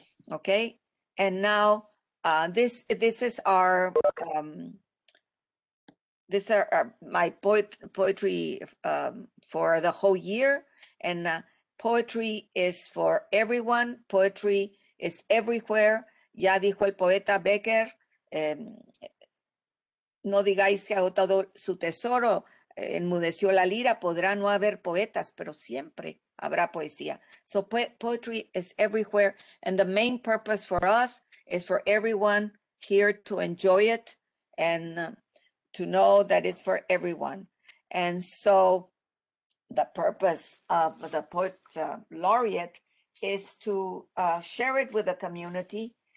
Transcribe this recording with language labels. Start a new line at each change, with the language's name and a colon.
English: Okay, and now, this is our this are my poetry for the whole year, and poetry is for everyone. Poetry is everywhere.
Spanish: Ya dijo el poeta Becker, no digáis que ha agotado su tesoro, enmudeció la lira. Podrá no haber poetas, pero siempre habrá poesía.
English: So poetry is everywhere, and the main purpose for us is for everyone here to enjoy it and to know that it's for everyone. And so the purpose of the Poet Laureate is to share it with the community.